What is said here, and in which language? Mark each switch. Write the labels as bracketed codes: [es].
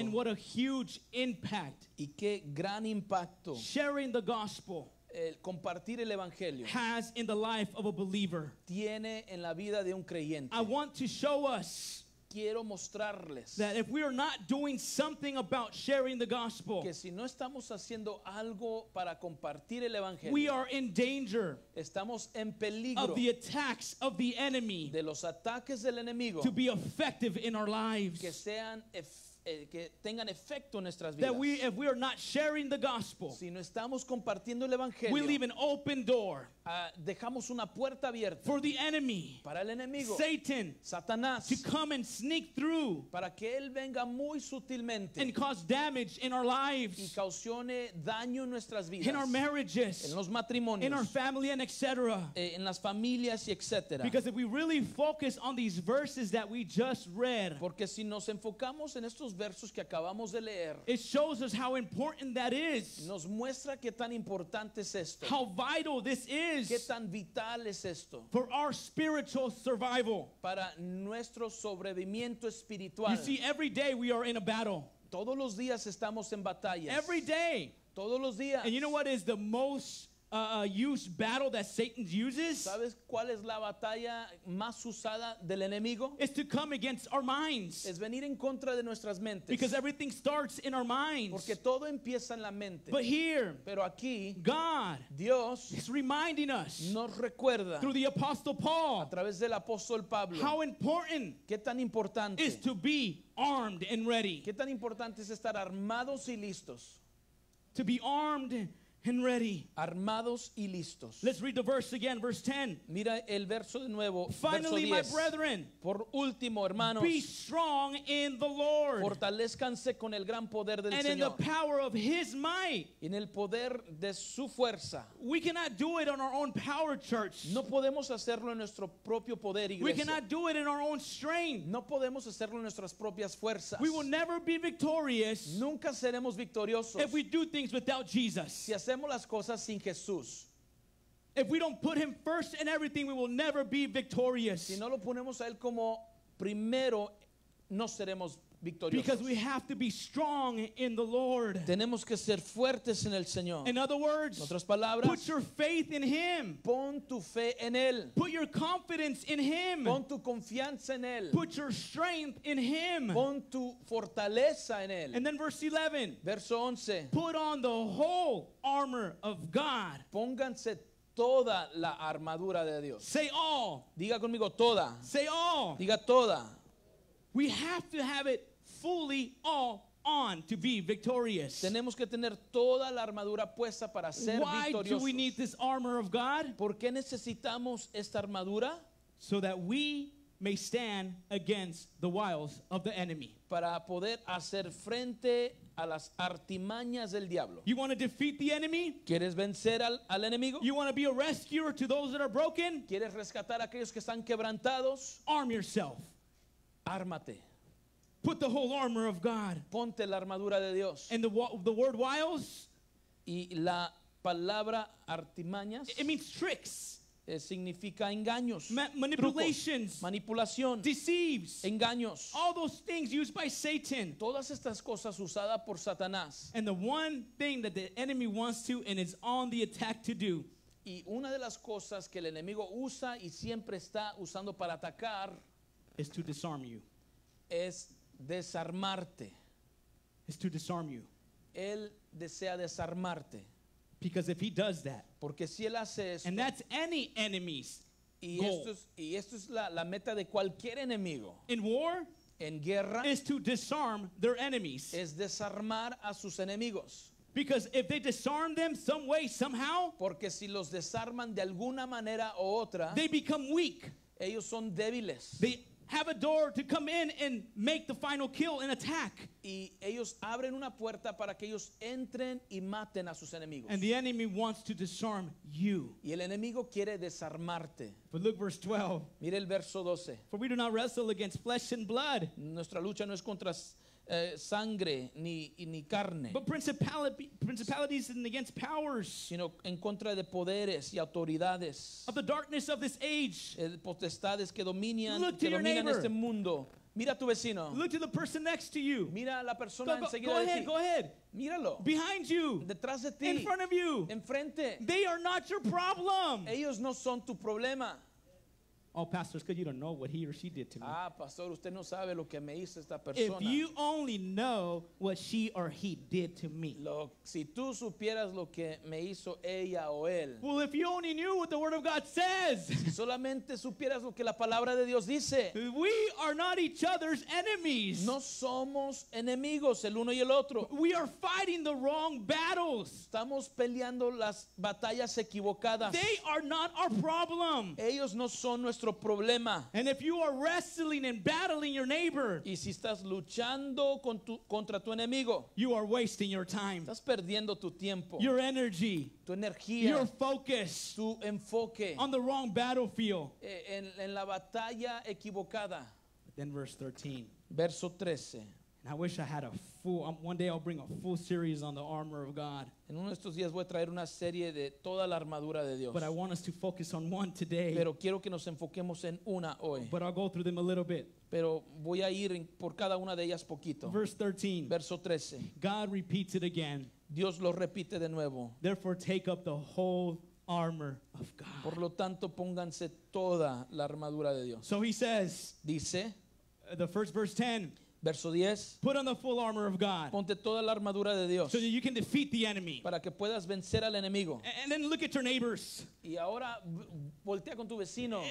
[en] And what a huge impact. [es] Y qué gran impacto. [en] Sharing the gospel. [es] El compartir el evangelio. [en] Has in the life of a believer. [es] Tiene en la vida de un creyente. [en] I want to show us. [es] Quiero mostrarles [en] that if we are not doing something about sharing the gospel, [es] que si no estamos haciendo algo para compartir el evangelio, [en] we are in danger, [es] estamos en peligro, [en] of the attacks of the enemy, [es] de los ataques del enemigo, [en] to be effective in our lives, [es] que sean que tengan efecto en nuestras vidas. [en] That we, if we are not sharing the gospel, [es] si no estamos compartiendo el evangelio, [en] we leave an open door, [es] dejamos una puerta abierta, [en] for the enemy, [es] para el enemigo, [en] Satan, [es] Satanás, [en] to come and sneak through, [es] para que él venga muy sutilmente, [en] and cause damage in our lives, [es] y causione daño en nuestras vidas, [en] in our marriages, [es] en los matrimonios, [en] in our family and etc. [es] En las familias y etc. [en] Because if we really focus on these verses that we just read, [es] porque si nos enfocamos en estos versos que acabamos de leer, [en] it shows us how important that is. [es] Nos muestra qué tan importante es esto. [en] How vital this is. [es] Qué tan vital es esto. [en] For our spiritual survival. [es] Para nuestro sobrevivimiento espiritual. [en] You see, every day we are in a battle. [es] Todos los días estamos en batallas. [en] Every day. [es] Todos los días. [en] And you know what is the most used battle that Satan uses? [es] ¿Sabes cuál es la batalla más usada del enemigo? [en] It's to come against our minds. [es] Es venir en contra de nuestras mentes. [en] Because everything starts in our minds. [es] Porque todo empieza en la mente. [en] But here, [es] pero aquí, [en] God, [es] Dios, [en] is reminding us. [es] Nos recuerda. [en] Through the apostle Paul, [es] a través del apóstol Pablo. [en] How important? [es] Qué tan importante. [en] Is to be armed and ready. [es] Qué tan importante es estar armados y listos. [en] To be armed and ready. [es] Armados y listos. [en] Let's read the verse again, verse 10. [es] Mira el verso de nuevo. [en] Finally, [es] verso 10. [en] My brethren, [es] por último, hermanos, [en] be strong in the Lord. [es] Fortalezcanse con el gran poder del [en] and [es] Señor. [en] In the power of His might. [es] En el poder de su fuerza. [en] We cannot do it on our own power, church. [es] No podemos hacerlo en nuestro propio poder, iglesia. [en] We cannot do it in our own strength. [es] No podemos hacerlo en nuestras propias fuerzas. [en] We will never be victorious. [es] Nunca seremos victoriosos. [en] If we do things without Jesus. [es] Hacemos las cosas sin Jesús. [en] If we don't put him first in everything, we will never be victorious. [es] Si no lo ponemos a él como primero, no seremos victoriosos. [en] Because we have to be strong in the Lord. [es] Tenemos que ser fuertes en el Señor. [en] In other words, [es] en otras palabras, [en] put your faith in him. [es] Pon tu fe en él. [en] Put your confidence in him. [es] Pon tu confianza en él. [en] Put your strength in him. [es] Pon tu fortaleza en él. [en] And then verse 11. [es] Verso 11. [en] Put on the whole armor of God. [es] Pónganse toda la armadura de Dios. [en] Say all. [es] Diga conmigo toda. [en] Say all. [es] Diga toda. [en] We have to have it fully all on to be victorious. [es] Tenemos que tener toda la armadura puesta para ser victoriosos. [en] Why do we need this armor of God? [es] ¿Por qué necesitamos esta armadura? [en] So that we may stand against the wiles of the enemy. [es] Para poder hacer frente a las artimañas del diablo. [en] You want to defeat the enemy? [es] ¿Quieres vencer al enemigo? [en] You want to be a rescuer to those that are broken? [es] ¿Quieres rescatar a aquellos que están quebrantados? [en] Arm yourself. [es] Ármate. [en] Put the whole armor of God. [es] Ponte la armadura de Dios. [en] And the word wiles. [es] Y la palabra artimañas. [en] It means tricks. [es] Significa engaños. [en] Manipulations. [es] Trucos, manipulación. [en] Deceives. [es] Engaños. [en] All those things used by Satan. [es] Todas estas cosas usadas por Satanás. [en] And the one thing that the enemy wants to and is on the attack to do. [es] Y una de las cosas que el enemigo usa y siempre está usando para atacar. [en] Is to disarm you. [es] Es desarmarte. [en] Is to disarm you. [es] Él desea desarmarte. [en] Because if he does that, [es] porque si él hace esto, [en] and that's any enemy's [es] y [en] goal. [es] Esto es la meta de cualquier enemigo. [en] In war, [es] en guerra, [en] is to disarm their enemies. [es] Es desarmar a sus enemigos. [en] Because if they disarm them some way, somehow, [es] porque si los desarman de alguna manera o otra, [en] they become weak. [es] Ellos son débiles. [en] They have a door to come in and make the final kill and attack. [es] Y ellos abren una puerta para que ellos entren y maten a sus enemigos. [en] And the enemy wants to disarm you. [es] Y el enemigo quiere desarmarte. [en] But look verse 12. [es] Mira el verso 12. [en] For we do not wrestle against flesh and blood. [es] Nuestra lucha no es contra sangre ni carne. [en] But principalities and against powers. [es] Sino en contra de poderes y autoridades. [en] Of the darkness of this age. [es] Potestades que dominan este mundo. Mira a tu vecino. [en] Look to the person next to you. [es] Mira a la persona enseguida. [en] Go ahead, [es] de ti. [en] Go ahead. [es] Míralo. [en] Behind you. [es] Detrás de ti. [en] In front of you. [es] Enfrente. [en] They are not your problem. [es] Ellos no son tu problema. [en] Oh, pastor, it's because you don't know what he or she did to me. [es] Ah, pastor, usted no sabe lo que me hizo esta persona. [en] If you only know what she or he did to me. [es] Lo, si tú supieras lo que me hizo ella o él. [en] Well, if you only knew what the word of God says. [es] Si solamente supieras lo que la palabra de Dios dice. [en] We are not each other's enemies. [es] No somos enemigos el uno y el otro. [en] We are fighting the wrong battles. [es] Estamos peleando las batallas equivocadas. [en] They are not our problem. [es] Ellos no son nuestro problema. [en] And if you are wrestling and battling your neighbor, [es] y si estás luchando contra tu enemigo, [en] you are wasting your time. [es] Estás perdiendo tu tiempo. [en] Your energy. [es] Tu energía. [en] Your focus. [es] Tu enfoque. [en] On the wrong battlefield. [es] En la batalla equivocada. [en] Then verse 13. [es] Verso 13. [en] And I wish I had a full, one day I'll bring a full series on the armor of God. [es] En uno de estos días voy a traer una serie de toda la armadura de Dios. [en] But I want us to focus on one today. [es] Pero quiero que nos enfoquemos en una hoy. [en] But I'll go through them a little bit. [es] Pero voy a ir por cada una de ellas poquito. [en] Verse 13. [es] Verso 13. [en] God repeats it again. [es] Dios lo repite de nuevo. [en] Therefore take up the whole armor of God. [es] Por lo tanto pónganse toda la armadura de Dios. [en] So he says. [es] Dice. [en] The first verse 10. [es] Verso 10. [en] Put on the full armor of God. [es] Ponte toda la armadura de Dios. [en] So that you can defeat the enemy. [es] Para que puedas vencer al enemigo. [en] And then look at your neighbors. [es] Y ahora voltea con tu vecino.